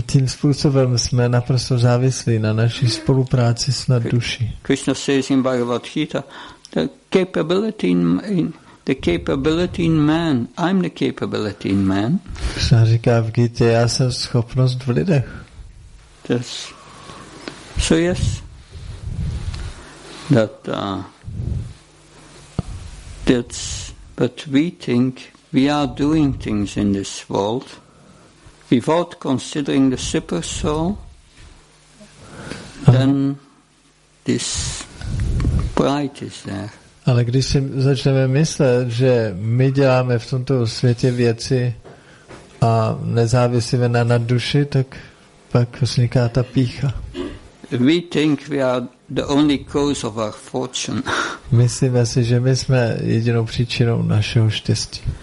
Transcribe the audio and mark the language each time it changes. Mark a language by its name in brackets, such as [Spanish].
[Czech] Tím způsobem jsme naprosto závislí na naší spolupráci s nadduší. [English] Krishna says in Bhagavad Gita, the capability in man. I'm the capability in man. [Czech] Krishna říká v Gita, já jsem schopnost v lidech. [English] Yes. So yes, but we think we are doing things in this world without considering the super soul, then this pride is there. [Czech] Ale když si začneme myslet, že my děláme v tomto světě věci a nezávisíme na nadduši, tak pak vzniká ta pícha. [English] We think we are the only cause of our fortune. [Czech] Myslíme si, že my jsme jedinou příčinou našeho štěstí.